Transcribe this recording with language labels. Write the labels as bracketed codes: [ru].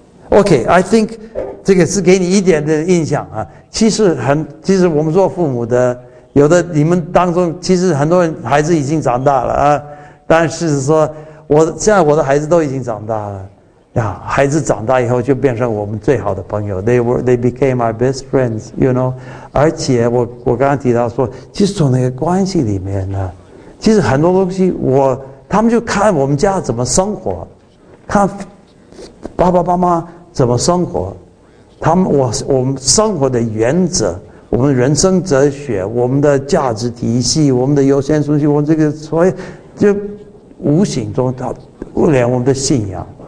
[zh] OK， [en] I think [zh] 这个是给你一点的印象啊。其实我们做父母的，有的你们当中，其实很多人孩子已经长大了啊。但是说，我现在我的孩子都已经长大了。呀，孩子长大以后就变成我们最好的朋友。 [en] They became my best friends, you know. [zh] 而且我刚刚提到说，其实从那个关系里面呢，其实很多东西他们就看我们家怎么生活，看爸爸妈妈怎么生活，我们生活的原则，我们人生哲学，我们的价值体系，我们的优先顺序，我们这个所以就无形中到连我们的信仰。